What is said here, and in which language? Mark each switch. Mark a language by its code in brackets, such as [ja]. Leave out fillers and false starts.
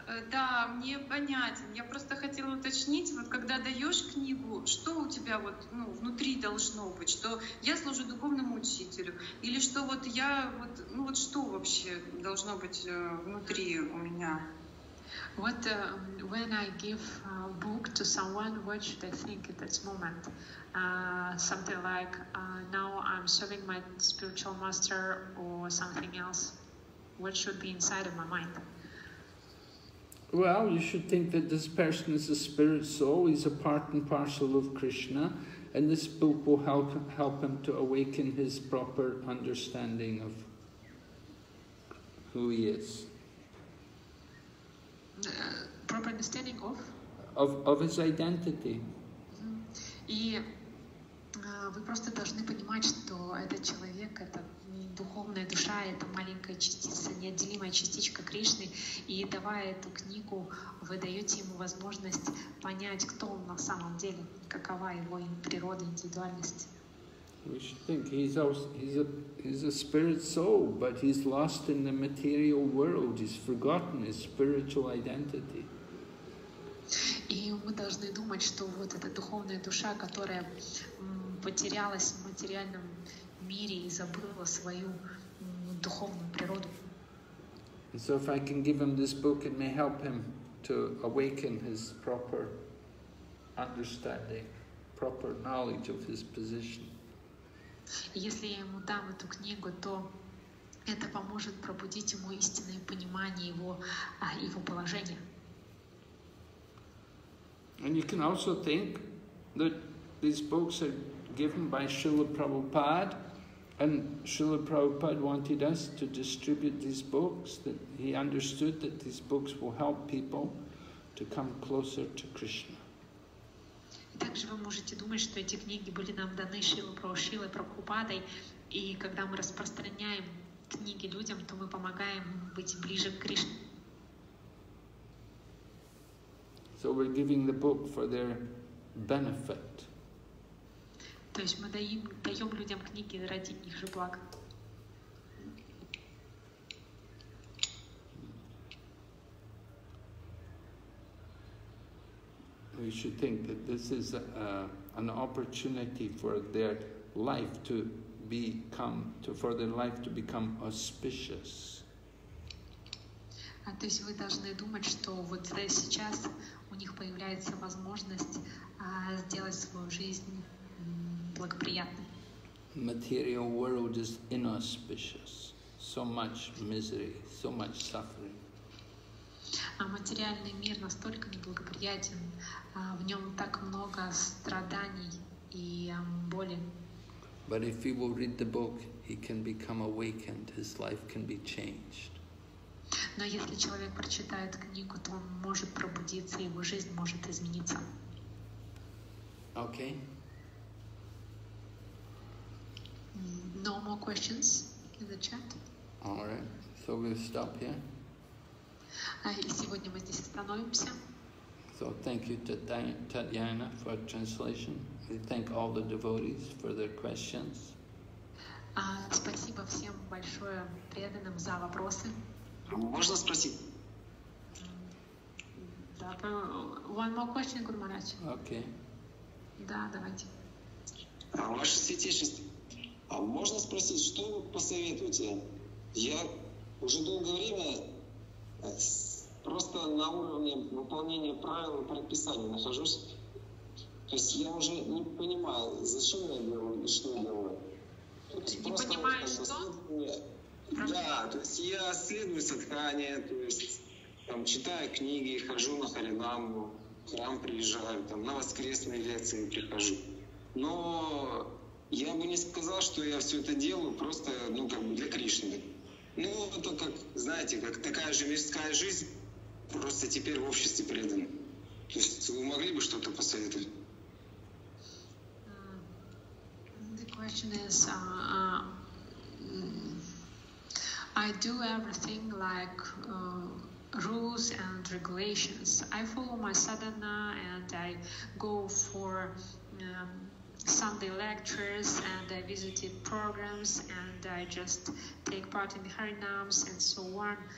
[ru] Да, мне понятен. Я просто хотела уточнить, вот когда даешь книгу, что у тебя вот внутри должно быть, что я служу духовному учителю, или что вот я вот что вообще должно быть внутри у меня? [en] What when I give a book to someone, what should I think at that moment? Something like now I'm serving my spiritual master or something else. What should be inside of my mind? Well, you should think that this person is a spirit soul, he's a part and parcel of Krishna, and this book will help him to awaken his proper understanding of who he is. Proper understanding of? Of his identity. Mm-hmm. [ru] И вы просто должны понимать, что этот человек, это духовная душа, это маленькая частица, неотделимая частичка Кришны, и давая эту книгу, вы даете ему возможность понять, кто он на самом деле, какова его природа, индивидуальность. [en] We should think he's a spirit soul, but he's lost in the material world. He's forgotten his spiritual identity. [ru] И мы должны думать, что вот эта духовная душа, которая потерялась в материальном мире и забыла свою духовную природу. [en] So if I can give him this book, it may help him to awaken his proper understanding, proper knowledge of his position. [ru] Если я ему дам эту книгу, то это поможет пробудить ему истинное понимание его, его положения. [en] And you can also think that these books are given by Srila Prabhupada, and Srila Prabhupada wanted us to distribute these books, that he understood that these books will help people to come closer to Krishna. [ru] Также вы можете думать, что эти книги были нам даны Шрилой Прабхупадой, и когда мы распространяем книги людям, то мы помогаем быть ближе к Кришне. [en] So we're giving the book for their benefit. [ru] То есть мы даем людям книги ради их же благ. [en] We should think that this is an opportunity for their life to become, for their life to become auspicious. [ru] А то есть вы должны думать, что вот сейчас у них появляется возможность сделать свою жизнь благоприятной. [en] Material world is inauspicious. So much misery, so much suffering. [ru] А материальный мир настолько неблагоприятен, в нем так много страданий и боли. [en] But if he will read the book, he can become awakened, his life can be changed. [ru] Но если человек прочитает книгу, то он может пробудиться, его жизнь может измениться. [en] Okay. No more questions in the chat. All right. So we'll stop here. [ru] И сегодня мы здесь остановимся. [en] So thank you to Tatiana for translation. We thank all the devotees for their questions. [ru] Спасибо всем большое преданным за вопросы. Можно спросить? [en] Да, one more question, Guru Maharaj. Okay. [ru] Да, давайте. Ваше святейшество, можно спросить, что вы посоветуете? Я уже долгое время просто на уровне выполнения правил и предписаний нахожусь. То есть я уже не понимаю, зачем я делаю и что я делаю. Не понимаешь, что? Да, то есть я следую садхане, то есть там читаю книги, хожу на харинаму, в храм приезжаю, там на воскресные лекции прихожу. Но я бы не сказал, что я все это делаю просто, ну, как бы для Кришны. Ну, это как, знаете, как такая же мирская жизнь, просто теперь в обществе предан. То есть вы могли бы что-то посоветовать? [en] The question is, I do everything like rules and regulations. I follow my sadhana and I go for Sunday lectures and I visited programs and I just take part in harinams and so on.